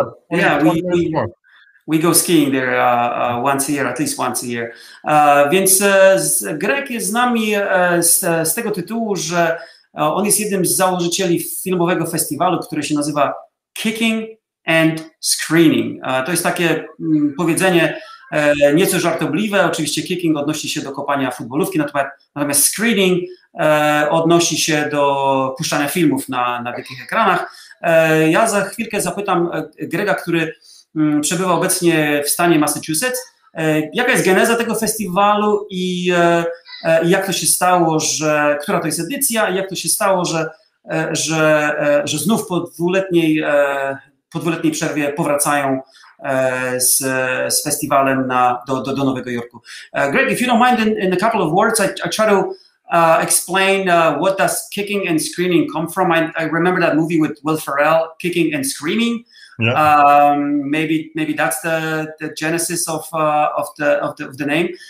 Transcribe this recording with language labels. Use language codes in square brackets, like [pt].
[en] Yeah, we go skiing there at least once a year. [pl] Więc Greg jest z nami z tego tytułu, że on jest jednym z założycieli filmowego festiwalu, który się nazywa Kicking and Screening. To jest takie powiedzenie nieco żartobliwe. Oczywiście kicking odnosi się do kopania futbolówki, natomiast screening odnosi się do puszczania filmów na wielkich ekranach. Ja za chwilkę zapytam Grega, który przebywa obecnie w stanie Massachusetts, jaka jest geneza tego festiwalu i jak to się stało, że która to jest edycja i jak to się stało, że znów po dwuletniej przerwie powracają z festiwalem do Nowego Jorku. [en] Greg, if you don't mind, in a couple of words, I try to explain what does kicking and screening come from. I remember that movie with Will Ferrell, Kicking and Screaming. Yeah. Maybe that's the genesis of the name.